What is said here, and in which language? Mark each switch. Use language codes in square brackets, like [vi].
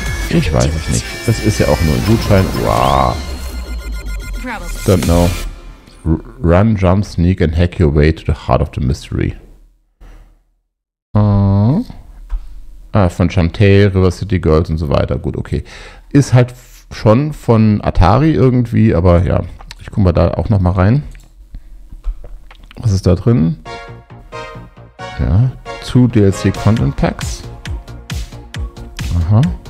[de] Ich weiß es nicht. Das ist ja auch nur ein Gutschein. [en] Wow. Don't know. Run, jump, sneak and hack your way to the heart of the mystery. [de] Von Chantel, River City Girls und so weiter. Gut, okay. Ist halt schon von Atari irgendwie, aber ja. Ich guck mal da auch nochmal rein. Was ist da drin? Ja. [en] Two DLC Content Packs. [de] Aha.